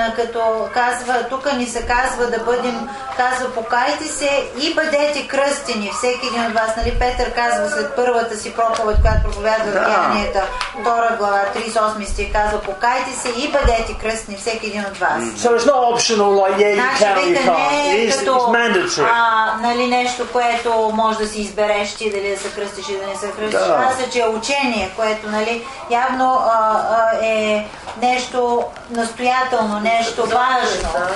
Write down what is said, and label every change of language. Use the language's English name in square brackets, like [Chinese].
[Bulgarian] Като казва, тук ни се казва да бъдем, казва, покайте се и бъдете кръстени. Всеки един от вас, нали, Петър казва след първата си проповед, която проповядва в Деянията, 2 глава, 38 стих, казва, покайте се и бъдете кръстени, всеки един от вас. [English] So it's not optional, like, yeah, you can or you can't. It's mandatory. [Bulgarian] Нали, нещо, което може да си избереш ти, дали да се кръстиш и да не се кръстиш. Това са, че е учение, което, нали, явно е нещо настоятелно, нещо важно.